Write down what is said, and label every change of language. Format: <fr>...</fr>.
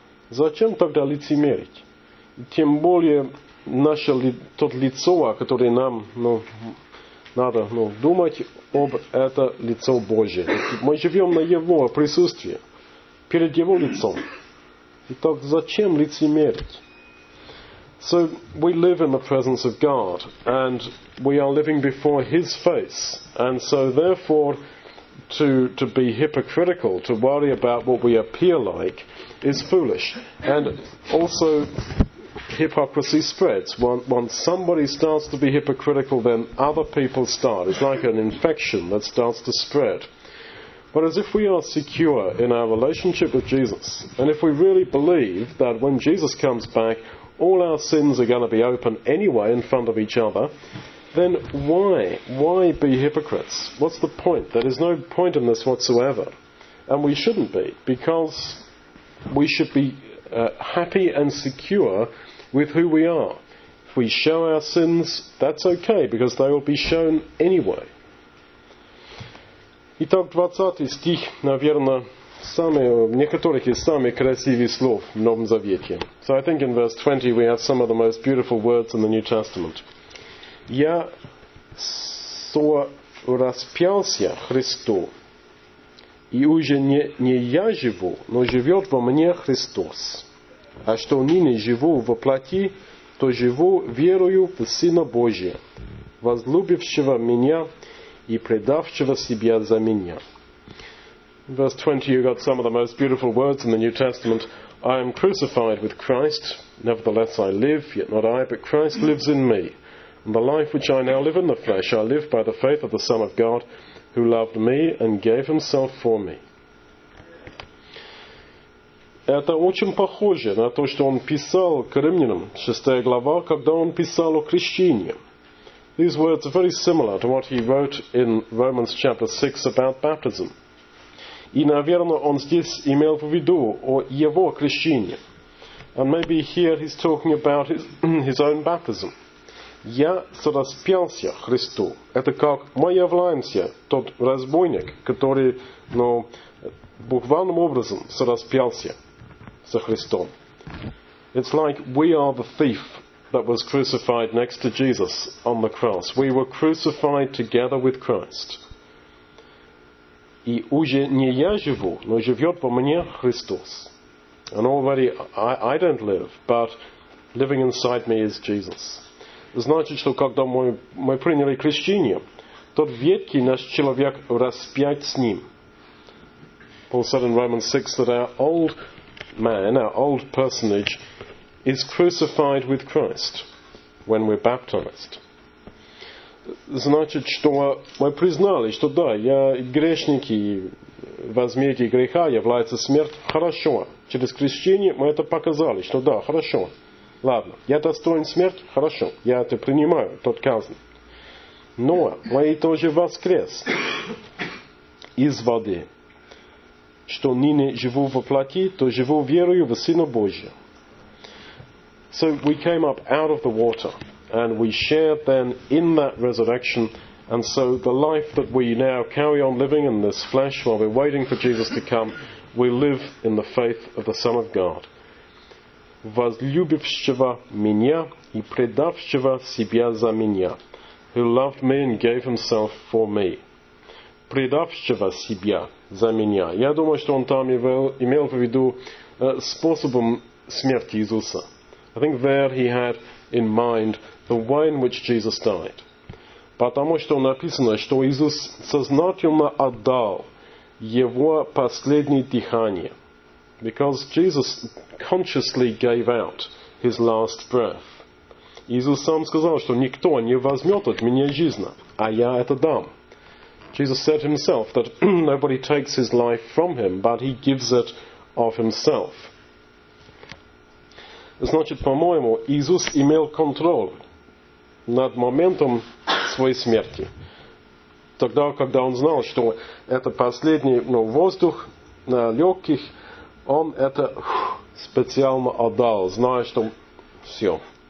<ru>Зачем тогда лицемерить? Тем более, наше то лицо, о котором нам надо думать, об это лицо Божие. Мы живем на Его присутствии, перед Его лицом. Итак, зачем лицемерить?</ru> <en>So, we live in the presence of God, and we are living before His face. And so, therefore, to be hypocritical, to worry about what we appear like, is foolish. And also, hypocrisy spreads. Once somebody starts to be hypocritical, then other people start. It's like an infection that starts to spread. But as if we are secure in our relationship with Jesus, and if we really believe that when Jesus comes back, all our sins are going to be open anyway in front of each other, then why be hypocrites? What's the point? There is no point in this whatsoever. And we shouldn't be, because we should be happy and secure with who we are. If we show our sins, that's okay, because they will be shown anyway.</en> <ru>Итак, 20 стих, наверное, некоторых из самых красивых слов в Новом Завете.</ru> <en>So I think in verse 20 we have some of the most beautiful words in the New Testament.</en> <ru>Я сораспялся Христу, и уже не я живу, но живет во мне Христос. А что ныне живу во плоти, то живу верою в Сына Божия, возлюбившего меня и предавшего себя за меня.</ru> <en>Verse 20, you got some of the most beautiful words in the New Testament. I am crucified with Christ, nevertheless I live, yet not I, but Christ lives in me. And the life which I now live in the flesh, I live by the faith of the Son of God, who loved me and gave himself for me.</en> <ru>Это очень похоже на то, что он писал к римлянам, 6 глава, когда он писал о крещении.</ru> <en>These words are very similar to what he wrote in Romans chapter 6 about baptism.</en> <ru>И, наверное, он здесь имел в виду о его крещении.</ru> <en>And maybe here he's talking about his own baptism.</en> <ru>Я сораспялся Христу. Это как мы являемся тот разбойник, который, ну, буквальным образом сораспялся со Христом.</ru> <en>It's like we are the thief that was crucified next to Jesus on the cross. We were crucified together with Christ.</en> <ru>И уже не я живу, но живет во мне Христос.</ru> <en>And already I don't live, but living inside me is Jesus.</en> <ru>Значит, что когда мы приняли крещение, тот ветхий наш человек распят с ним.</ru> <en>Paul said in Romans 6 that our old man, our old personage, is crucified with Christ when we're baptized.</en> <ru>Значит, что мы признали, что да, я грешник, и возмездие греха является смерть. Хорошо. Через крещение мы это показали, что да, хорошо. Ладно, я достоин смерти? Хорошо. Я это принимаю, тот казнь. Но мы тоже воскрес из воды. Что ныне живу во плоти, то живу верою в Сына Божия.</ru> <en>So we came up out of the water, and we shared then in that resurrection, and so the life that we now carry on living in this flesh while we're waiting for Jesus to come, we live in the faith of the Son of God.</en> <ru>Возлюбившего меня и предавшего себя за меня,</ru> <en>who loved me and gave himself for me.</en> <ru>Предавшего себя за меня. Я думаю, что он там имел в виду способом смерти Иисуса.</ru> <en>I think there he had in mind the way in which Jesus died.</en> <ru>Потому что написано, что Иисус сознательно отдал его последнее дыхание.</ru> <en>Because Jesus consciously gave out his last breath.</en> <ru>Иисус сам сказал, что никто не возьмет от меня жизнь, а я это дам.</ru> <en>Jesus said himself that nobody takes his life from him, but he gives it of himself.</en> <ru>Значит, по-моему, Иисус имел контроль над моментом своей смерти. Тогда, когда он знал, что это последний, ну, воздух на легких, он это специально отдал, зная, что все.</ru>